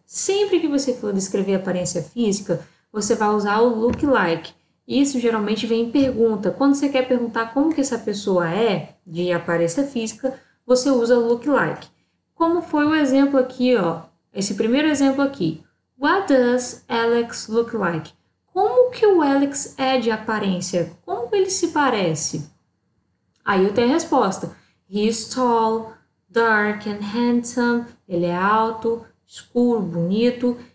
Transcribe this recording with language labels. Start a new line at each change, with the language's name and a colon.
Portuguese: Sempre que você for descrever aparência física, você vai usar o look like. Isso geralmente vem em pergunta. Quando você quer perguntar como que essa pessoa é de aparência física, você usa o look like. Como foi o exemplo aqui, ó. Esse primeiro exemplo aqui.
English: What does Alex look like?
Portuguese: Como que o Alex é de aparência? Como ele se parece? Aí eu tenho a resposta.
English: He is tall, dark and handsome.
Portuguese: Ele é alto, escuro, bonito.